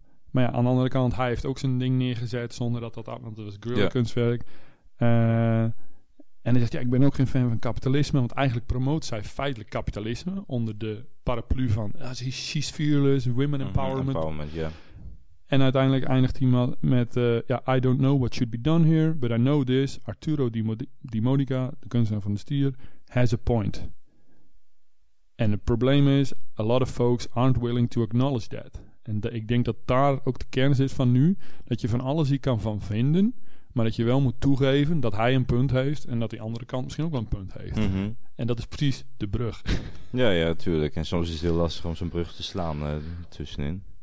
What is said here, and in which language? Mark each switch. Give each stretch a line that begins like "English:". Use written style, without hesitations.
Dutch: Maar ja, aan de andere kant, hij heeft ook zijn ding neergezet zonder dat af, want het was guerrilla kunstwerk. En hij zegt, ja, ik ben ook geen fan van kapitalisme, want eigenlijk promoot zij feitelijk kapitalisme onder de paraplu van
English: she's fearless, women empowerment.
Dutch: Empowerment, ja. En uiteindelijk eindigt hij met...
English: I don't know what should be done here, but I know this. Arturo Di Modica,
Dutch: de kunstenaar van de stier,
English: has a point. And the problem is, a lot of folks aren't willing to acknowledge that.
Dutch: En ik denk dat daar ook de kern zit van nu. Dat je van alles hier kan van vinden, maar dat je wel moet toegeven dat hij een punt heeft en dat die andere kant misschien ook wel een punt heeft. Mm-hmm. En dat is precies de brug. Ja, tuurlijk. En soms is het heel lastig om zo'n brug te slaan tussenin.